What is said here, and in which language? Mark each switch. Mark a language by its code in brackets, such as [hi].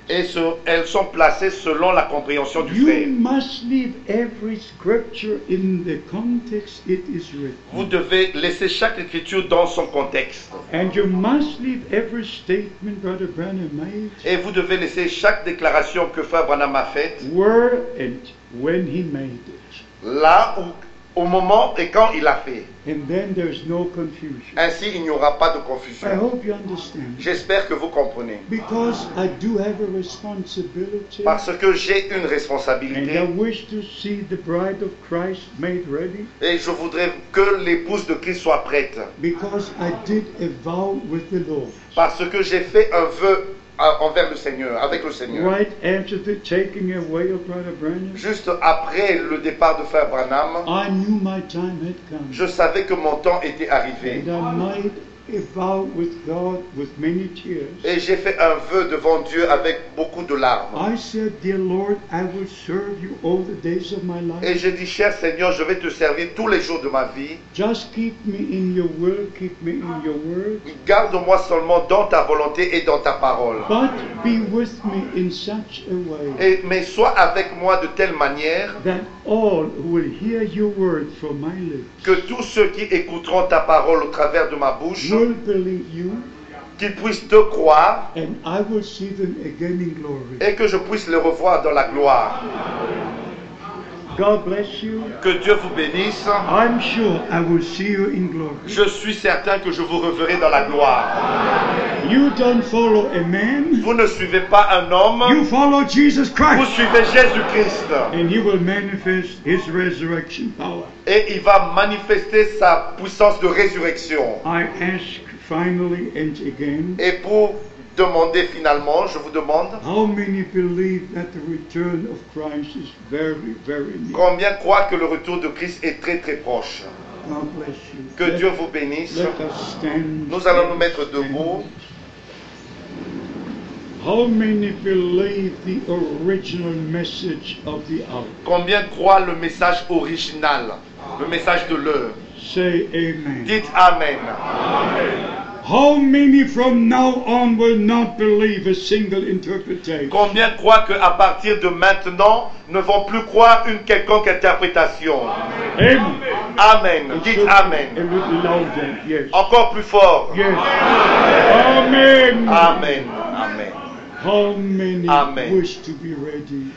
[fr] Et elles sont placées selon la compréhension du frère. [en] You must leave every scripture in the context it is written. [fr] Vous devez laisser chaque écriture dans son contexte. [en] And you must leave every statement Brother Branham made, [fr] et vous devez laisser chaque déclaration que Frère Branham a faite, [en] where and when he made it, [fr] là où, au moment et quand il l'a fait. [en] And then there's no confusion. [fr] Ainsi, il n'y aura pas de confusion. [en] I hope you understand. [fr] J'espère que vous comprenez. [en] Because I do have a responsibility. [fr] Parce que j'ai une responsabilité. [en] And I wish to see the bride of Christ made ready. [fr] Et je voudrais que l'épouse de Christ soit prête. [en] Because I did a vow with the Lord. [fr] Parce que j'ai fait un vœu envers le Seigneur, avec le Seigneur. [en] Right after the taking away of Brother Branham, [fr] juste après le départ de Frère Branham, [en] I knew my time had come. [fr] Je savais que mon temps était arrivé. [en] And I made a vow with God with many tears. [fr] Et j'ai fait un vœu devant Dieu avec beaucoup de larmes. [en] I said, dear Lord, I will serve you all the days of my life. [fr] Et j'ai dit, cher Seigneur, je vais te servir tous les jours de ma vie. [en] Just keep me in your will, keep me in your word. [fr] Garde-moi seulement dans ta volonté et dans ta parole. [en] But be with me in such a way. [fr] Mais sois avec moi de telle manière [en] that all will hear your word from my lips. [fr] Que tous ceux qui écouteront ta parole au travers de ma bouche [en] will believe you, [fr] qu'ils puissent te croire, [en] and I will see them again in glory, [fr] et que je puisse les revoir dans la gloire. [en] God bless you. [fr] Que Dieu vous bénisse. [en] I'm sure I will see you in glory. [fr] Je suis certain que je vous reverrai dans la gloire. [en] You don't follow a man. [fr] Vous ne suivez pas un homme. [en] You follow Jesus Christ. [fr] Vous suivez Jésus-Christ. [en] And he will manifest his resurrection power. [fr] Et il va manifester sa puissance de résurrection. [en] I ask finally and again. [fr] Et pour demander finalement, je vous demande. [en] How many believe that the return of Christ is very, very near? [fr] Combien croient que le retour de Christ est très, très proche? [en] God bless you. [fr] Que Dieu vous bénisse. [en] Let us stand. [fr] Nous allons nous mettre debout. [en] How many believe the original message of the hour? [fr] Combien croient le message original, le message de l'heure? [en] Say amen. [fr] Dites amen. Amen. [en] How many from now on will not believe a single interpretation? [fr] Combien croient que à partir de maintenant ne vont plus croire une quelconque interprétation? Amen. Amen. Amen. Dites amen. [en] Louder, yes. [fr] Encore plus fort. [en] Yes. Amen. Amen. Amen. How many amen. Wish to be ready?